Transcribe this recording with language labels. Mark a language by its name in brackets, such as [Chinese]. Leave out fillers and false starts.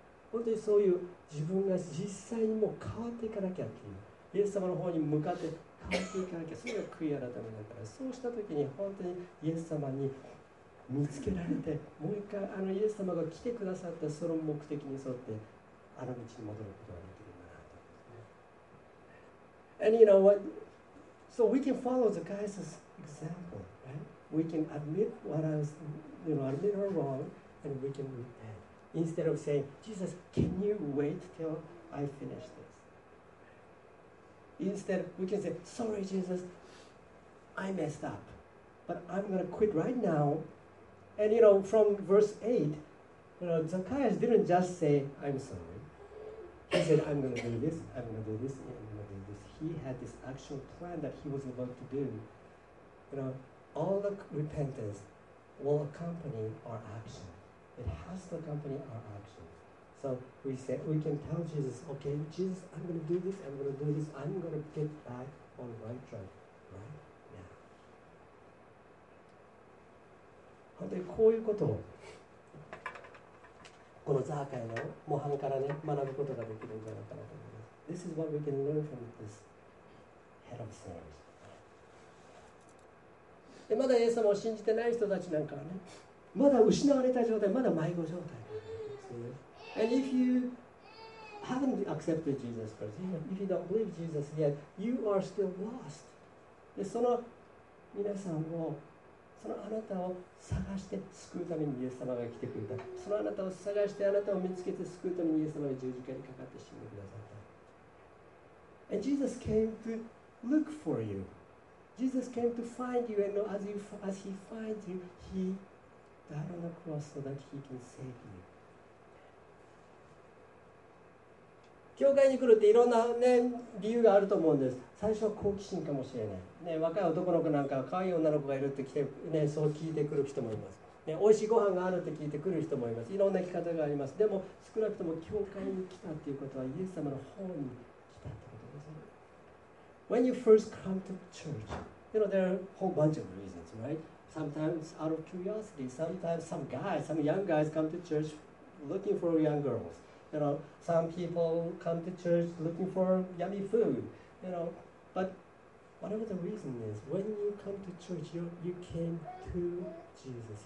[Japanese] 本当にそういう自分が実際にもう変わっていかなきゃっていう、イエス様の方に向かって変わっていかなきゃ、それが悔い改めだから、そうした時に本当にイエス様に見つけられて、もう一回あのイエス様が来てくださったその目的に沿ってあの道に戻ることができるんだなと。 [English] And you know what? So we can follow the guy's example, right? We can admit what I was, you know, a little wrong, and we can repent. Instead of saying, Jesus, can you wait till I finish this? Instead, we can say, sorry, Jesus, I messed up, but I'm going to quit right now. And you know, from verse 8, you know, Zacchaeus didn't just say, I'm sorry. He said, I'm going to do this, I'm going to do this, I'm going to do this. He had this actual plan that he was about to do. You know, all the repentance will accompany our action. It has to accompany our action. So we say, we can tell Jesus, okay, Jesus, I'm going to do this, I'm going to do this, I'm going to get back on the right track, right? [Japanese] 本当にこういうことをこのザーカイの模範からね、学ぶことができるんじゃないかなと思います。 [English] This is what we can learn from this head of sinners. [Japanese] でまだイエス様を信じてない人たちなんかはね、まだ失われた状態、まだ迷子状態なんですね。 [English] And if you haven't accepted Jesus Christ, if you don't believe Jesus yet, you are still lost. [Japanese] でその皆さんをそのあなたを探して救うためにイエス様が来てくれた。そのあなたを探してあなたを見つけて救うためにイエス様が十字架にかかって死んでくださった。 [English] And Jesus came to look for you. Jesus came to find you, and as he finds you, he died on the cross so that he can save you. [Japanese] 教会に来るっていろんな、ね、理由があると思うんです。最初は好奇心かもしれない。ね、若い男の子なんか可愛い女の子がいるって来て、ね、そう聞いてくる人もいます、ね、美味しいご飯があるって聞いてくる人もいます。いろんな生き方があります。でも少なくとも教会に来たっていうことはイエス様の方に来たってことですね。 [English] When you first come to church, you know, there are a whole bunch of reasons, right? Sometimes out of curiosity, sometimes some guys, some young guys come to church looking for young girls. You know, some people come to church looking for yummy food. You know, butWhatever the reason is, when you come to church, you came to Jesus.